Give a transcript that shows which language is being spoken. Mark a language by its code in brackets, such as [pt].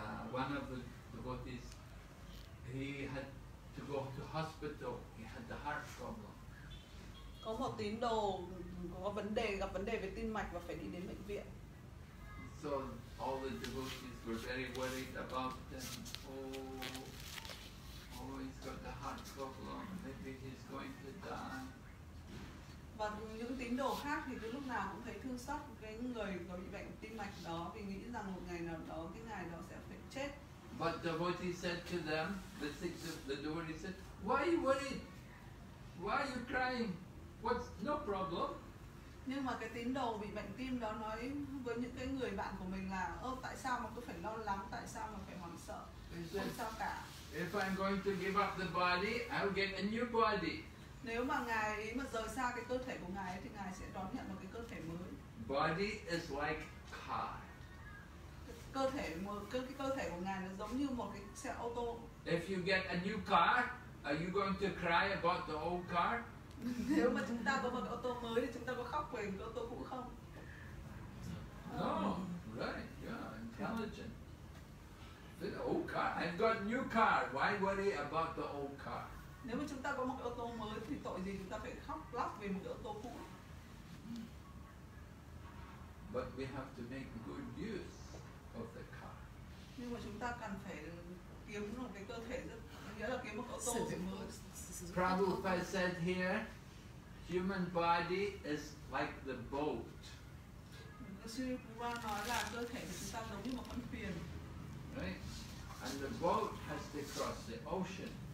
[en] One of the devotees, he had to go to hospital. He had the heart problem. [vi] Có một tín đồ gặp vấn đề về tim mạch và phải đi đến bệnh viện. [en] So all the devotees were very worried about him. Oh, he's got the heart problem. Maybe he's going to die. [vi] Và những tín đồ khác thì cứ lúc nào cũng thấy thương xót cái người có bị bệnh tim mạch đó, vì nghĩ rằng một ngày nào đó cái ngài đó sẽ phải chết. [en] But the devotee said to them, the devotee said, why are you worried? Why are you crying? What's no problem? [vi] Nhưng mà cái tín đồ bị bệnh tim đó nói với những cái người bạn của mình là, tại sao mà cứ phải lo lắng, tại sao mà phải hoảng sợ? Không sao cả. [en] If I'm going to give up the body, I'll get a new body. [vi] Nếu mà ngài ấy mà rời xa cái cơ thể của ngài ấy, thì ngài sẽ đón nhận một cái cơ thể mới. [en] Body is like car. [vi] Cơ thể của ngài nó giống như một cái xe ô tô. [en] If you get a new car, are you going to cry about the old car? [vi] Nếu mà chúng ta có một ô tô mới thì chúng ta có khóc về cái ô tô cũ không? [en] No, right, yeah, intelligent. The old car, I've got new car. Why worry about the old car? [vi] Nếu mà chúng ta có một ô tô mới thì tội gì chúng ta phải khóc lóc về một ô tô cũ? [en] But we have to make good use of the car. [vi] Nhưng mà chúng ta cần phải kiếm một cái cơ thể rất, nghĩa là kiếm một cái tô rất mới. [en] Prabhupada said here, human body is like the boat. Right? And the boat has to cross the ocean.